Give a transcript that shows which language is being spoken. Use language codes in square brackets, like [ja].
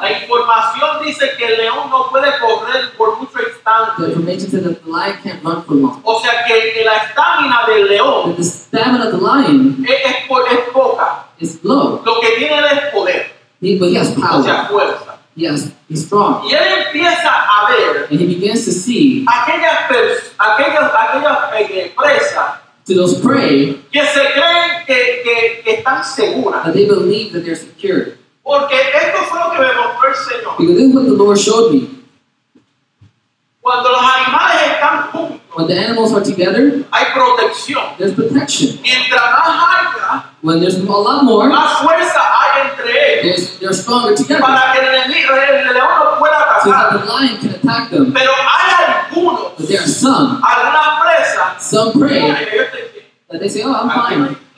[es] La información dice que el león no puede correr por mucho instante. [en] The information says that the lion can't run for long. [es] O sea que la estamina del león. [en] That the stamina of the lion [es] es poca. [en] Is low. [es] Lo que tiene él es poder. [en] But he has power. [es] O sea, fuerza. [en] Yes, he's strong. [es] Y él empieza a ver. [en] And he begins to see. [es] Aquella presa. [en] To those prey, [es] que se creen que están seguras. [en] That they believe that they're secure. [es] Porque esto fue lo que me mostró el Señor. [en] Because this is what the Lord showed me. [es] Cuando los animales están juntos, [en] when the animals are together, [es] hay protección. [en] There's protection. [es] Mientras más alta, [en] when there's a lot more, [es] más fuerza hay entre ellos. [en] They're stronger together. [es] Para que el león no pueda atacar. [en] So that the lion can attack them. [es] Pero hay algunos, [en] but there are some. Some pray that they say, oh, I'm fine.